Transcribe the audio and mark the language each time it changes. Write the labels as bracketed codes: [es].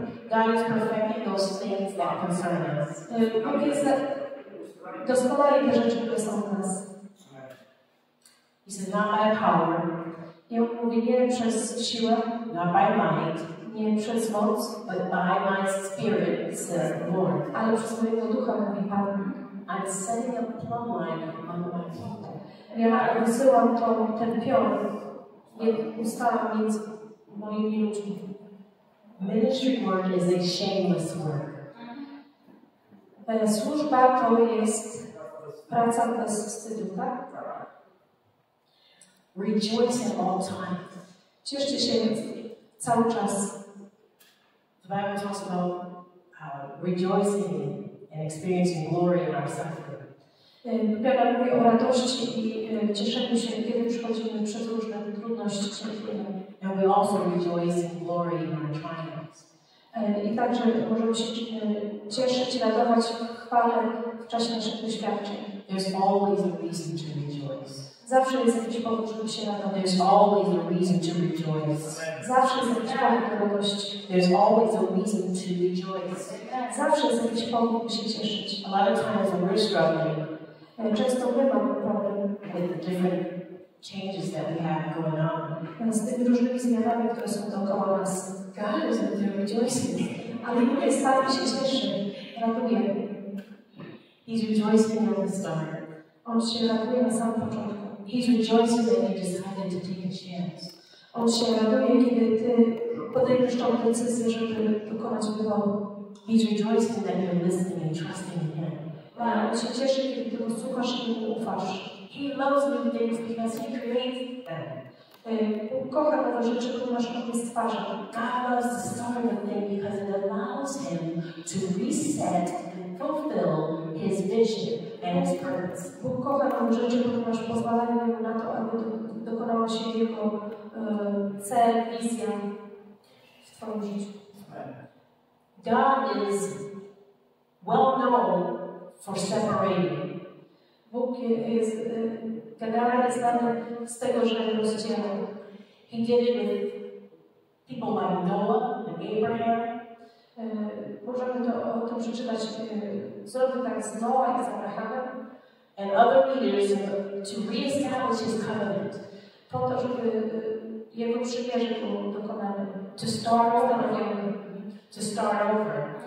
[en] God is perfecting those things that concern us. [pl] Bóg jest doskonale te rzeczy, które są w nas. [en] He says, not by power. [pl] I on mówi, nie przez siłę. [en] Not by might. [pl] Nie przez moc. [en] But by my spirit, says the Lord. [pl] Ale przez mojego ducha, mówi Pan. [en] I'm setting a plumb line on my phone. [pl] Ja wysyłam ten pion. Nie ustawiam nic moimi ludźmi. [en] Ministry work is a shameless work. [pl] Służba to jest praca bez wstydu, tak? [en] Rejoice at all times. [pl] Cieszcie się cały czas. [en] The Bible talks about rejoicing and experiencing glory in our suffering. [pl] Biblia mówi o radości i cieszeniu się, kiedy przechodzimy przez różne trudności, cierpienia. [en] And we also rejoice in glory in our triumphs. [pl] I także możemy się cieszyć i radować chwałę w czasie naszych doświadczeń. [en] There's always a reason to rejoice. [pl] Zawsze jest jakiś powód, żeby się radować. [en] There's always a reason to rejoice. [pl] Zawsze jest jakiś powód do radości. [en] There's always a reason to rejoice. [pl] Zawsze jest jakiś powód, żeby się cieszyć. [en] A lot of times we're struggling. [pl] Często my mamy problem. [en] With the different changes that we have going on. [pl] Z tymi różnymi zmianami, które są dookoła nas. [en] God is in there rejoicing. [pl] Ale Bóg jest tam, się cieszy. Ratuje. [en] He's rejoicing at the start. [pl] On się raduje na samym początku. [en] He's rejoicing that you decided to take a chance. [pl] On się raduje, kiedy ty podejmiesz tą decyzję, żeby dokonać wyboru. [en] He's rejoicing that you're listening and trusting in Him. [pl] On się cieszy, kiedy ty go słuchasz i mu ufasz. [en] He loves new things because He created them. [pl] Kocha nowe rzeczy, ponieważ On je stwarza. [en] God loves the story of them because it allows Him to reset and fulfill His vision and its purpose. [pl] Bóg kocha tą rzeczy, ponieważ pozwalają nam na to, aby dokonała się jego cel, wizja w twoim życiu. [en] God is well known for separating. [pl] Bóg jest, ten God jest znany z tego, że rozdziela. [en] He did it with people like Noah and Abraham. [pl] Możemy to o tym przeczytać, zrobił tak z Noa i z Abrahamem. [en] And other leaders to reestablish his covenant. [pl] Po to, żeby jego przymierze było dokonane. [en] To start over. To start over.